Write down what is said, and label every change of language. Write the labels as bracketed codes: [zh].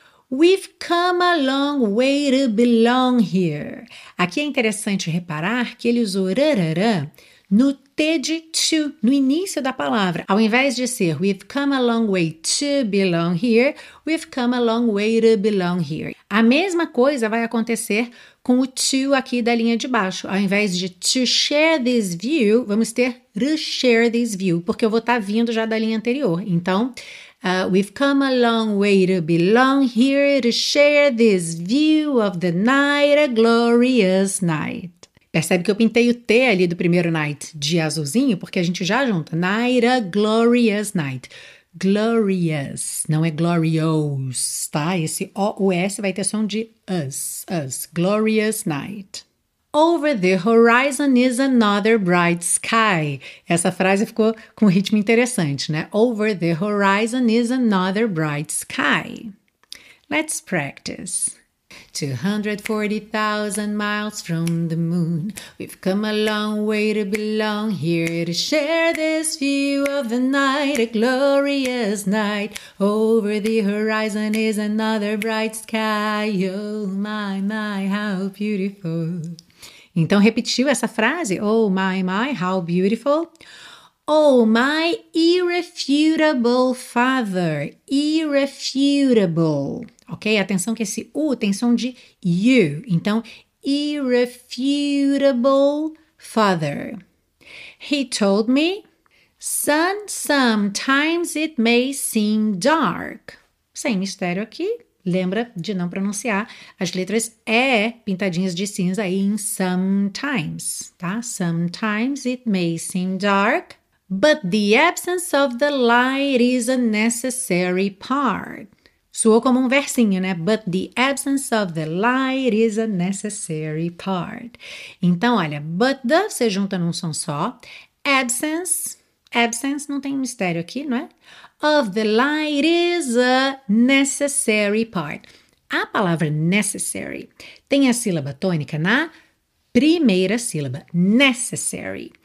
[en] We've come a long way to belong here. [pt] Aqui é interessante reparar que ele usou rarará no T de to, no início da palavra. Ao invés de ser [en] we've come a long way to belong here, we've come a long way to belong here. [pt] A mesma coisa vai acontecer com o to aqui da linha de baixo. Ao invés de [en] to share this view, [pt] vamos ter to share this view, porque eu vou estar vindo já da linha anterior. [en] Então, we've come a long way to belong here, to share this view of the night, a glorious night. [pt] Percebe que eu pintei o T ali do primeiro night de azulzinho, porque a gente já junta. [en] Night, a glorious night. Glorious, [pt] não é [en] glorious, tá? [pt] Esse O-U-S vai ter som de us, us. Glorious night. [en] Over the horizon is another bright sky. [pt] Essa frase ficou com um ritmo interessante, né? [en] Over the horizon is another bright sky. Let's practice. 240,000 miles from the moon. We've come a long way to belong here, to share this view of the night, a glorious night. Over the horizon is another bright sky. Oh my, my, how beautiful. [pt] Então repetiu essa frase. [en] Oh my, my, how beautiful. Oh my irrefutable father. Irrefutable. Ok? [pt] Atenção que esse U tem som de U. [en] Então, irrefutable father. He told me, son, sometimes it may seem dark. [pt] Sem mistério aqui. Lembra de não pronunciar as letras E pintadinhas de cinza em sometimes, tá? [en] Sometimes it may seem dark, but the absence of the light is a necessary part. [pt] Soou como um versinho, né? [en] But the absence of the light is a necessary part. [pt] Então, olha, [en] but the, [pt] você junta num som só. Absence não tem mistério aqui, não é? [en] Of the light is a necessary part. [pt] A palavra necessary tem a sílaba tônica na primeira sílaba, necessary.